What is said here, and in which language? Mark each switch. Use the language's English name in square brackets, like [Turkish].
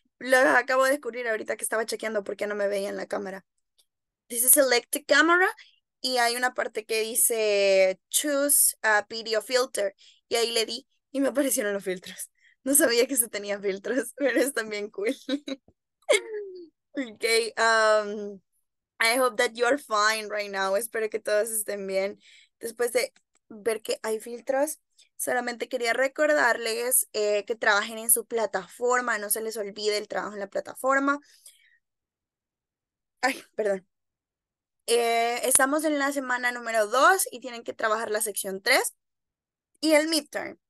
[Spanish] Lo acabo de descubrir ahorita que estaba chequeando porque no me veía en la cámara. Dice Select Camera y hay una parte que dice Choose a Video Filter y ahí le di y me aparecieron los filtros. No sabía que se tenían filtros, pero es también cool. [English] Okay, I hope that you are fine right now. [Spanish] Espero que todos estén bien. Después de ver que hay filtros, solamente quería recordarles que trabajen en su plataforma. No se les olvide el trabajo en la plataforma. Ay, perdón. Estamos en la semana número 2 y tienen que trabajar la sección 3 y el midterm.